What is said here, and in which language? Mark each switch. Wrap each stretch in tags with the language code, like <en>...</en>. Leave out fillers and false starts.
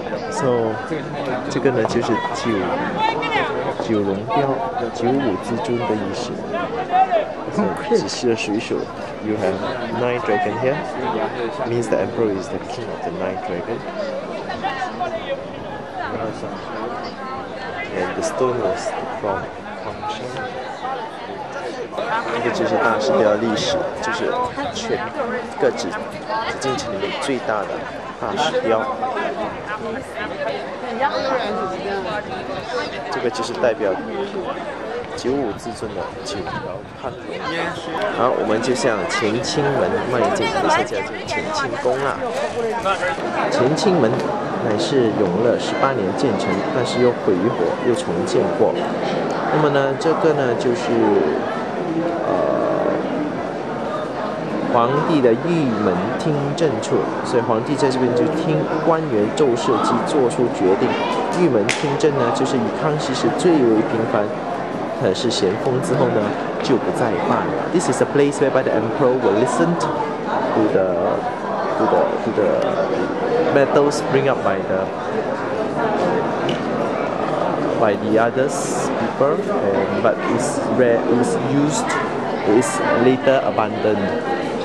<zh>So, 这个呢就是九龙雕，九五至尊的意思。只需要数一数。</zh> <en>You have nine dragon here. Means the emperor is the king of the nine dragon. And the stone was from Hong Kong.</en> <zh>那个就是大石雕历史，就是全个紫禁城里面最大的大石雕。这个就是代表九五至尊的九条判头。好，我们就向乾清门迈进，接下来就是乾清宫啦。乾清门乃是永乐十八年建成，但是又毁于火，又重建过。那么呢，这个呢就是皇帝的御门听政处，所以皇帝在这边就听官员奏事及做出决定。御门听政呢，就是以康熙时最为频繁。可是咸丰之后呢，就不再办了。</zh> <en>This is a place whereby the emperor will listen to the matters bring up by the others people, but is rare, is used, is later abandoned.</en>